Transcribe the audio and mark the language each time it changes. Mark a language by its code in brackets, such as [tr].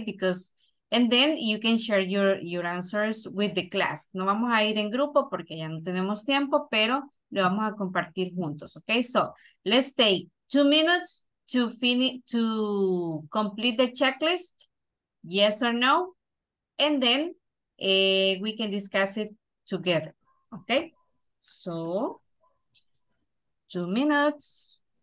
[en] Because, and then you can share your answers with the class. [es] No vamos a ir en grupo porque ya no tenemos tiempo, pero lo vamos a compartir juntos, okay? [en] So let's take 2 minutes to complete the checklist, yes or no, and then we can discuss it together, okay? So 2 minutes.